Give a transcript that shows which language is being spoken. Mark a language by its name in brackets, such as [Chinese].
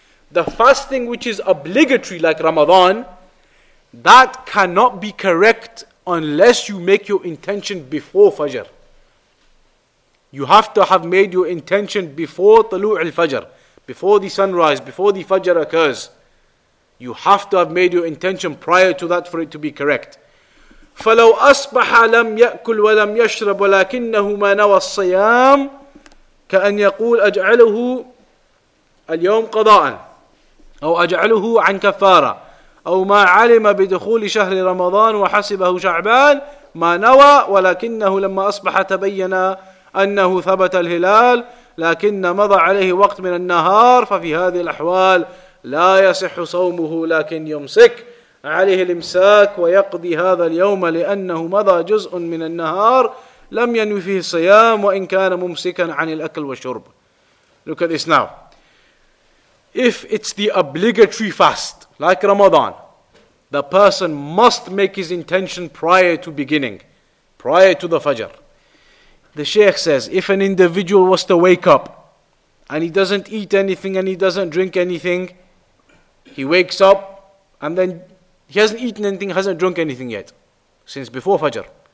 [English] The fasting which is obligatory like Ramadan, that cannot be correct unless you make your intention before Fajr. You have to have made your intention before [Arabic] طلوع الفجر, [English] before the sunrise, before the Fajr occurs. You have to have made your intention prior to that for it to be correct. [Arabic] فَلَوْ أَصْبَحَ لَمْ يَأْكُلْ وَلَمْ يَشْرَبْ وَلَكِنَّهُ مَا نَوَى الصَّيَامِ كَأَنْ يَقُولْ أَجْعَلُهُ الْيَوْمْ قَضَاءً أو أَجْعَلُهُ عَنْ كَفَّارًا أو مَا عَلِمَ بِدُخُولِ شَهْرِ رَمَضَانُ وَحَسِبَهُ شَعْبَانُ مَا نَوَى وَلَكِنَّهُ لَمَّا أَصْبَحَ تَبَيَّنَا أَنَّهُ ثَبَتَ الْهِلَالُ لَكِنَّ مَضَى عَلَيْهِ وَقْتْ مِنَ النَّهَارِ فَفِي هَذِهِ الْأَحْوَالِ لَا يَصِحُّ صَوْمُهُ لَكِنْ يُمْسِكْ عليه الامساك ويقضي هذا اليوم لأنه مضى جزء من النهار لم ينوي فيه صيام وإن كان ممسكا عن الأكل والشرب. [English] Look at this now. If it's the obligatory fast, like Ramadan, the person must make his intention prior to beginning, prior to the Fajr. The Sheikh says, if an individual was to wake up and he doesn't eat anything and he doesn't drink anything, he wakes up and then he hasn't eaten anything, hasn't drunk anything yet, since before Fajr.